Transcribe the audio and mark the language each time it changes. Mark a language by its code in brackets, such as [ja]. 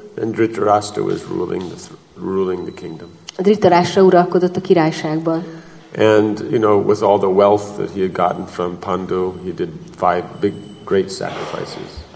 [en] And Dhritarashtra was ruling the kingdom. [hu] Dhritarashtra uralkodott a királyságban. [en] And you know, with all the wealth that he had gotten from Pandu, he did 5 big great sacrifices.